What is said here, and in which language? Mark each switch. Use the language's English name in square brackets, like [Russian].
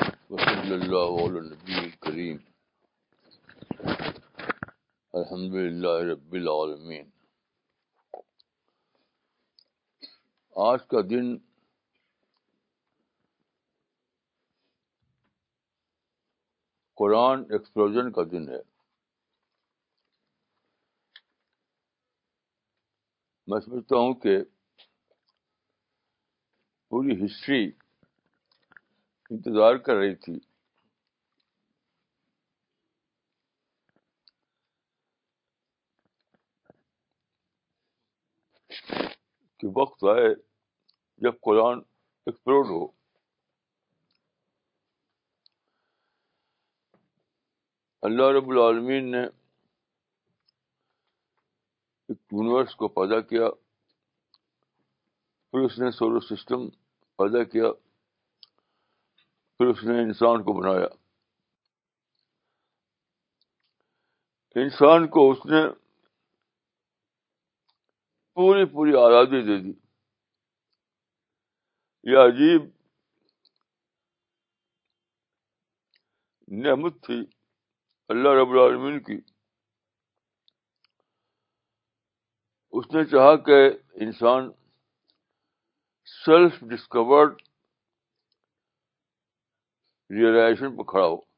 [Arabic] وصلى الله على النبي الكريم الحمد لله رب العالمين. [Urdu] آج کا دن قرآن ایکسپلوژن کا دن ہے. میں سمجھتا ہوں کہ پوری ہسٹری انتظار کر رہی تھی کہ وقت آئے جب قرآن ایکسپلوڈ ہو. اللہ رب العالمین نے ایک یونیورس کو پیدا کیا, پھر اس نے سولر سسٹم پیدا کیا, پھر اس نے انسان کو بنایا. انسان کو اس نے پوری پوری آزادی دے دی. یہ عجیب نعمت تھی اللہ رب العالمین کی. اس نے چاہا کہ انسان [English] self discovered realisation [Urdu] پہ کھڑا ہو.